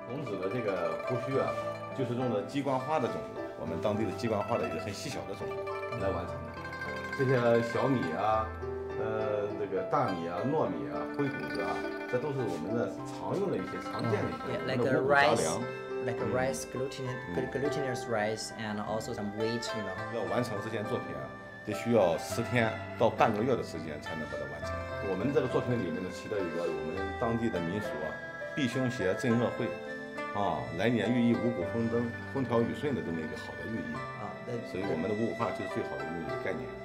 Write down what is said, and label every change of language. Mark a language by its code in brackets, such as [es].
[zh] 孔子的这个胡须啊，就是用的鸡冠花的种子，我们当地的鸡冠花的一个很细小的种子。来完成的，这些小米啊，这个大米啊，糯米啊，灰谷子啊，这都是我们的常用的一些常见的一些五谷杂粮。 [en] Like rice, glutinous rice, and also some wheat, you know. [zh] 要完成这件作品啊，得需要10天到半个月的时间才能把它完成。我们这个作品里面呢，提到一个我们当地的民俗啊，避凶邪镇恶会，啊，来年寓意五谷丰登、风调雨顺的这么一个好的寓意。所以我们的五虎画就是最好的一个概念。